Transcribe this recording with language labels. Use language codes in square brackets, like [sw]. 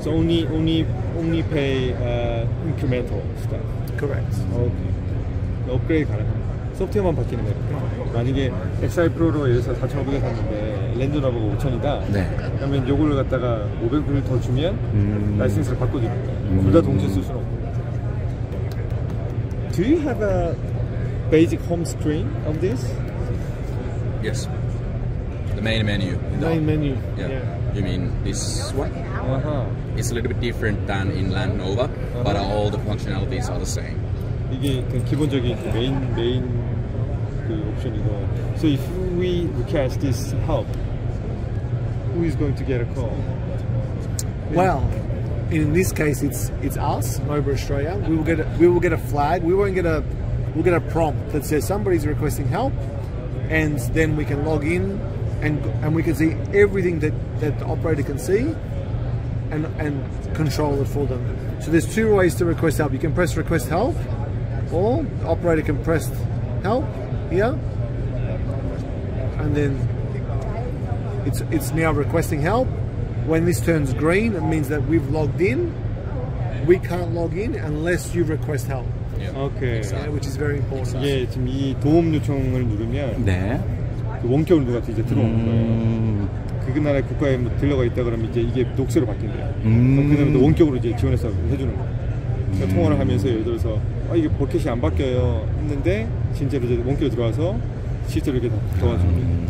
[en] So only pay incremental stuff. Correct. [ko] Okay. Upgrade 가능한. 소프트웨어만 바뀌는 거예요. 만약에 XI Pro로 예를 들어 4,500원 샀는데 랜드노버가 5,000원이다. 네. 그러면 요걸 갖다가 500원을 더 주면 라이센스를 바꿔도 됩니다. 둘 다 동시에 쓸 수는 없고. [en] Do you have a basic home screen of this? Yes, the main menu. You know? Main menu. Yeah. You mean this one? Uh-huh. It's a little bit different than in Land Nova, uh-huh. but all the functionalities are the same. [ko] 이게 기본적인 메인 그 옵션이고. [en] So if we request this help, who is going to get a call? Well, in this case, it's us, MOBA Australia. We will get a flag. We'll get a prompt that says somebody's requesting help. And then we can log in and we can see everything that the operator can see and control it for them. So there's two ways to request help. You can press request help, or the operator can press help here, and then it's now requesting help. When this turns green, it means that we've logged in. We can't log in unless you request help. Yeah. Okay. Yeah, which is very important. [ko] 예, 지금 이 도움 요청을 누르면 네. 그 원격으로 누가 이제 들어오는 거예요. 그 나라의 국가에 뭐 들러가 있다 그러면 이제 이게 녹색으로 바뀐대요. 그다음에 또 원격으로 이제 지원해서 해주는 거예요. 그러니까 통화를 하면서 예를 들어서 이게 버킷이 안 바뀌어요 했는데 진짜로 이제 원격으로 들어와서 실제로 이렇게 다 도와주는 거예요.